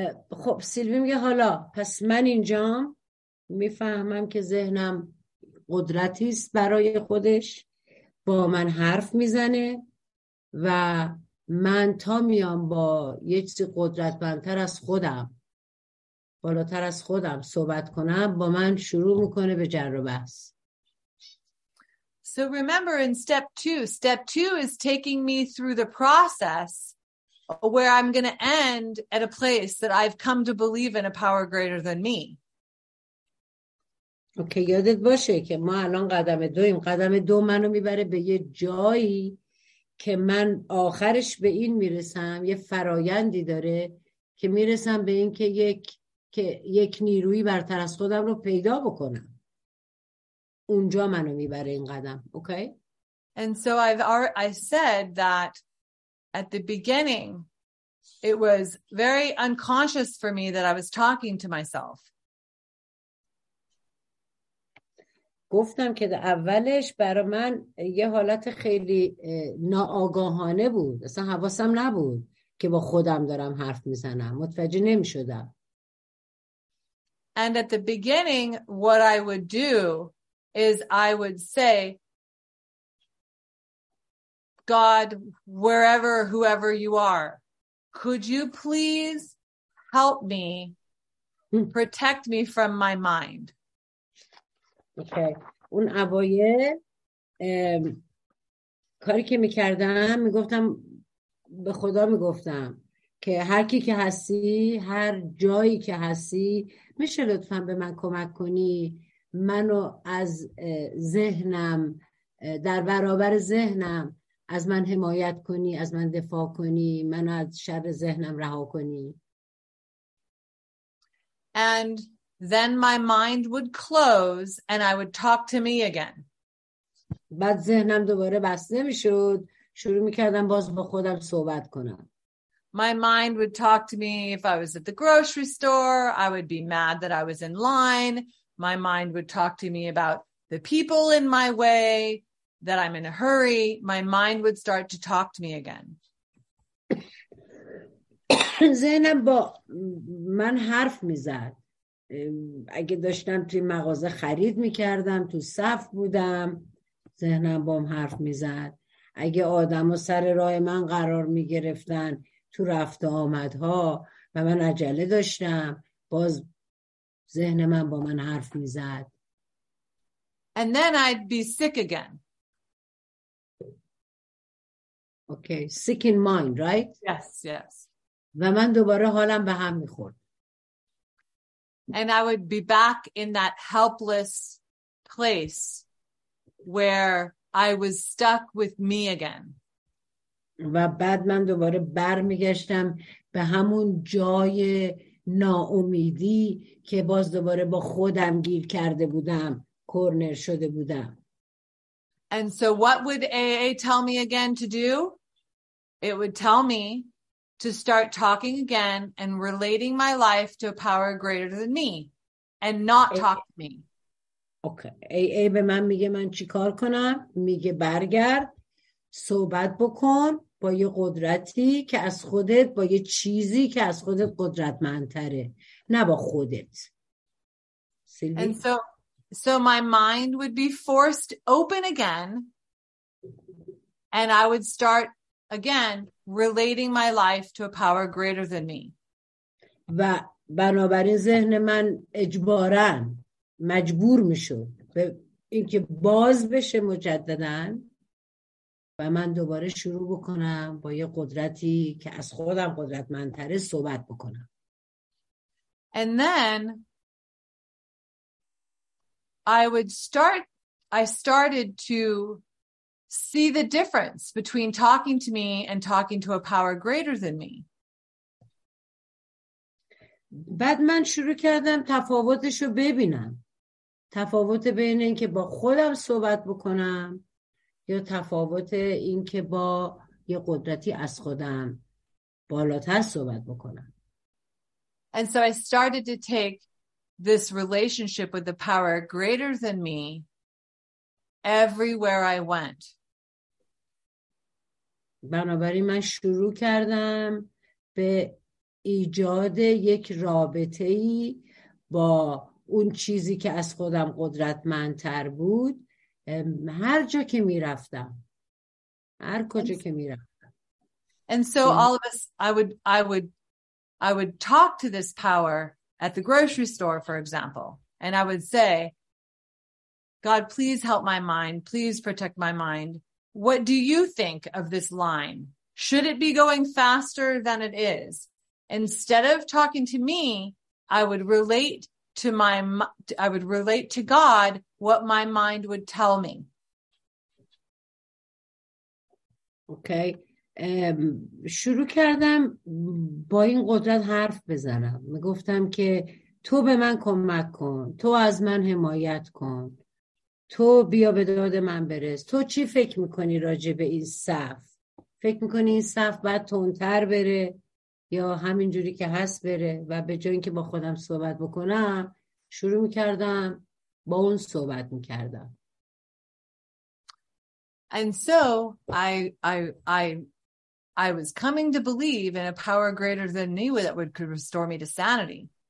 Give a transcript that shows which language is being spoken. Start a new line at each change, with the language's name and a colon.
Persian: خب سیلوی میگه حالا پس من اینجا میفهمم که ذهنم قدرتی است برای خودش، با من حرف میزنه و من تا میام با یه چیزی قدرتمندتر از خودم، بالاتر از خودم صحبت کنم، با من شروع میکنه به جر و بحث.
English: So remember in step two is taking me through the process where I'm going to end at a place that I've come to believe in a power greater than me.
Persian: Okay, یادت باشه که ما الان قدم دویم. قدم دو منو میبره به یه جایی که من آخرش به این میرسم. یه فرایندی داره که میرسم به این که یک نیروی برتر از خودم رو پیدا بکنم. اونجا منو میبره این قدم. Okay?
English: And so I said that at the beginning, it was very unconscious for me that I was talking to myself.
Persian: گفتم که در اولش برای من یه حالت خیلی ناآگاهانه بود. اصلا حواسم نبود که با خودم دارم حرف میزنم. متوجه نمیشدم.
English: And at the beginning, what I would do is I would say, God, wherever, whoever you are, could you please help me protect me from my mind? Okay.
Persian: اون اوایل کاری که میکردم میگفتم به خدا میگفتم که هر کی که هستی، هر جایی که هستی، میشه لطفا به من کمک کنی منو از ذهنم، در برابر ذهنم از من حمایت کنی، از من دفاع کنی، من از شر ذهنم رها کنی.
English: And then my mind would close and I would talk to me again.
Persian: بعد ذهنم دوباره بسته میشد، شروع میکردم باز با خودم صحبت کنم.
English: My mind would talk to me if I was at the grocery store, I would be mad that I was in line. My mind would talk to me about the people in my way, that I'm in a hurry. My mind would start to talk to me again.
Persian: ذهنم با من حرف میزد. اگه داشتم توی مغازه خرید میکردم، تو صف بودم، ذهنم با من حرف میزد. اگه آدم و سر راه من قرار میگرفتن تو رفت و آمدها و من عجله داشتم، باز ذهن من با من حرف میزد.
English: And then I'd be sick again. Okay, sick in mind, right? Yes, yes.
Persian: و من دوباره حالم به هم میخورد.
English: And I would be back in that helpless place where I was stuck with me again.
Persian: و بعد من دوباره بر میگشتم به همون جای ناامیدی که باز دوباره با خودم گیر کرده بودم، کورنر شده بودم.
English: And so what would AA tell me again to do? It would tell me to start talking again and relating my life to a power greater than me and not talk to me. Okay.
Persian: AA به من میگه من چی کار کنم؟ میگه برگرد، صحبت بکن با یه قدرتی که از خودت، با یه چیزی که از خودت قدرتمندتره، نه با خودت. سیلوی.
English: And so my mind would be forced open again and I would start again, relating my life to a power greater than me.
Persian: و بنابراین ذهن من اجباراً مجبور میشد به اینکه باز بشه مجدداً و من دوباره شروع بکنم با یه قدرتی که از خودم قدرتمندتره صحبت بکنم.
English: And then I started to see the difference between talking to me and talking to a power greater than me.
Persian: بعد من شروع کردم تفاوتشو ببینم. تفاوت بین این که با خودم صحبت بکنم یا تفاوت این که با یه قدرتی از خودم بالاتر صحبت بکنم.
English: And so I started to take this relationship with the power greater than me everywhere I went.
Persian: بنابراین من شروع کردم به ایجاد یک رابطه‌ای با اون چیزی که از خودم قدرتمندتر بود هر جا که می‌رفتم، هر کجا که می‌رفتم.
English: And so all of us, I would talk to this power at the grocery store, for example, and I would say, God, please help my mind, please protect my mind. What do you think of this line? Should it be going faster than it is? Instead of talking to me, I would relate to God what my mind would tell me. Okay.
Persian: شروع کردم با این قدرت حرف بزنم. میگفتم که تو به من کمک کن. تو از من حمایت کن. تو بیا به داد من برس. تو چی فکر میکنی راجع به این صف؟ فکر میکنی این صف باید تندتر بره یا همین جوری که هست بره؟ و به جای اینکه با خودم صحبت بکنم شروع میکردم با اون صحبت میکردم.
English: And so I was coming to believe in a power greater than me that could restore me to sanity.